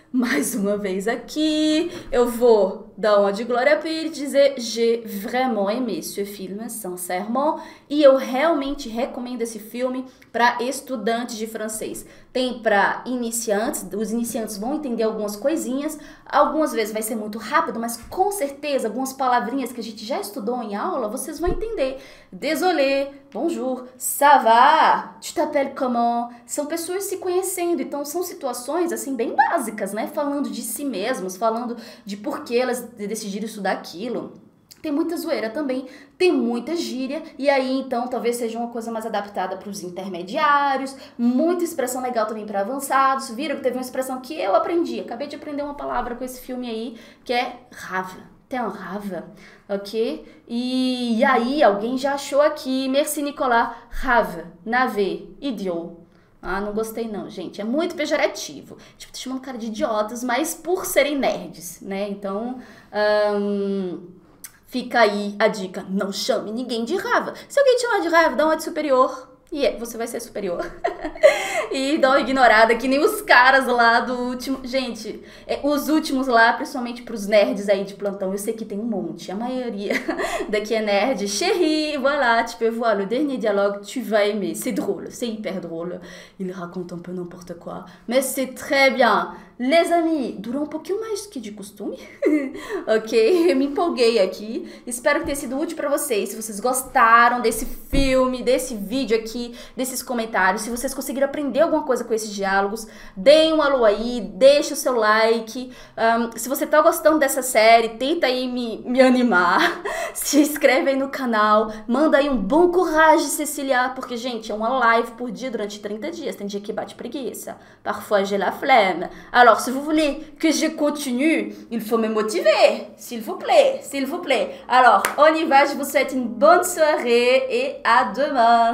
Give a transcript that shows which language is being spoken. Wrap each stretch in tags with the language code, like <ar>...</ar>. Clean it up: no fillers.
<pt>Mais uma vez aqui, eu vou dar uma de glória para ele dizer</pt> <fr>J'ai vraiment aimé ce film, sincèrement.</fr> <pt>E eu realmente recomendo esse filme para estudantes de francês. Tem para iniciantes, os iniciantes vão entender algumas coisinhas. Algumas vezes vai ser muito rápido, mas com certeza algumas palavrinhas que a gente já estudou em aula, vocês vão entender.</pt> <fr>Désolé, bonjour, ça va, tu t'appelles comment?</fr> <pt>São pessoas se conhecendo, então são situações assim bem básicas, né? Falando de si mesmas, falando de por que elas decidiram estudar aquilo. Tem muita zoeira também, tem muita gíria, e aí então talvez seja uma coisa mais adaptada para os intermediários, muita expressão legal também para avançados. Viram que teve uma expressão que eu aprendi, acabei de aprender uma palavra com esse filme aí, que é rava. Tem um rava, ok? E aí alguém já achou aqui, merci Nicolas, rava, navet, idiot. Ah, não gostei não, gente. É muito pejorativo. Tipo, tô chamando o cara de idiotas, mas por serem nerds, né? Então, fica aí a dica. Não chame ninguém de rava. Se alguém te chamar de rava, dá uma de superior. E é, você vai ser superior. E dá uma ignorada que nem os caras lá do último. Gente, os últimos lá, principalmente pros nerds aí de plantão. Eu sei que tem um monte. A maioria daqui é nerd.</pt> <fr>Chérie, voilà, tu peux voir le dernier dialogue, tu vas aimer. C'est drôle, c'est hyper drôle. Il raconte un peu n'importe quoi. Mais c'est très bien. Les amis,</fr> <pt>durou um pouquinho mais do que de costume. Ok? Eu me empolguei aqui. Espero que tenha sido útil para vocês. Se vocês gostaram desse filme, desse vídeo aqui, desses comentários, se vocês conseguiram aprender alguma coisa com esses diálogos, deem um alô aí, deixe o seu like. Se você tá gostando dessa série, tenta aí me animar. Se inscreve aí no canal. Manda aí um bom courage, Cecília, porque, gente, é uma live por dia durante 30 dias. Tem dia que bate preguiça.</pt> <fr>Parfois, j'ai la flemme. Alors, se vous voulez que je continue, il faut me motiver. S'il vous plaît, s'il vous plaît. Alors, on y va. Je vous souhaite une bonne soirée et à demain.</fr>